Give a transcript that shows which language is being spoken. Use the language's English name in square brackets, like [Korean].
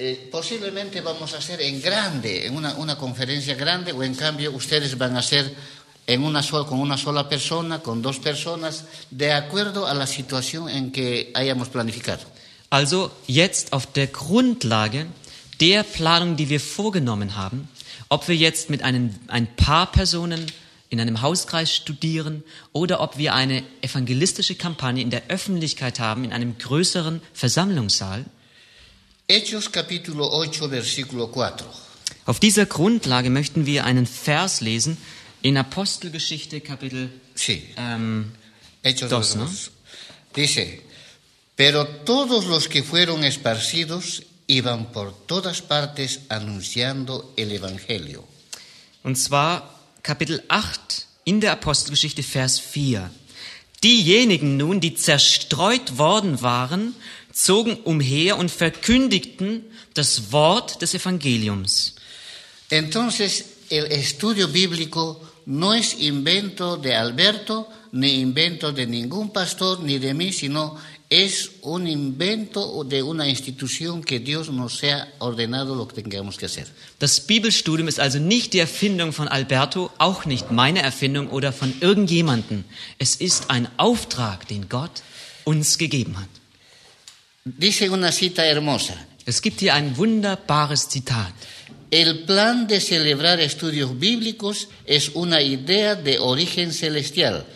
[Spanish] Posiblemente vamos a hacer en grande, en una conferencia grande, o en cambio ustedes van a hacer en una sola, con una sola persona, con dos personas, de acuerdo a la situación en que hayamos planificado. [German] Also, jetzt auf der Grundlage der Planung, die wir vorgenommen haben, ob wir jetzt mit ein paar Personen in einem Hauskreis studieren oder ob wir eine evangelistische Kampagne in der Öffentlichkeit haben, in einem größeren Versammlungssaal. [Spanish] Hechos capítulo 8, versículo 4. [German] Auf dieser Grundlage möchten wir einen Vers lesen, in Apostelgeschichte, Kapitel [Spanish] sí. Hechos 2, ¿no? Dice, pero todos los que fueron esparcidos iban por todas partes anunciando el Evangelio. [German] Und zwar Kapitel 8 in der Apostelgeschichte, Vers 4. Diejenigen nun, die zerstreut worden waren, zogen umher und verkündigten das Wort des Evangeliums. [Spanish] Entonces, el estudio bíblico no es invento de Alberto, ni invento de ningún pastor, ni de mí, sino es un invento de una institución que Dios nos ha ordenado lo que tengamos que hacer. [German] Das Bibelstudium ist also nicht die Erfindung von Alberto, auch nicht meine Erfindung oder von irgendjemanden. Es ist ein Auftrag, den Gott uns gegeben hat. [Spanish] Dice una cita hermosa. [German] Es gibt hier ein wunderbares Zitat. [Spanish] El plan de celebrar estudios bíblicos es una idea de origen celestial.